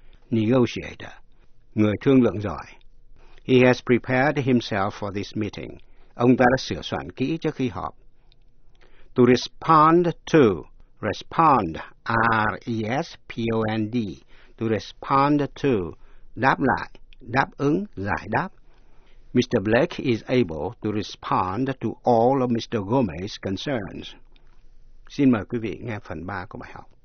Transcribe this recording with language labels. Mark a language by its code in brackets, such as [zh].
[vi] Negotiator, người thương lượng giỏi. [en] He has prepared himself for this meeting. [vi] Ông ta đã sửa soạn kỹ trước khi họp. [en] To respond to. Respond. R-E-S-P-O-N-D. To respond to. [vi] Đáp lại. Đáp ứng. Giải đáp. Mr. [en] Blake is able to respond to all of Mr. Gomez's concerns. [vi] Xin mời quý vị nghe phần 3 của bài học.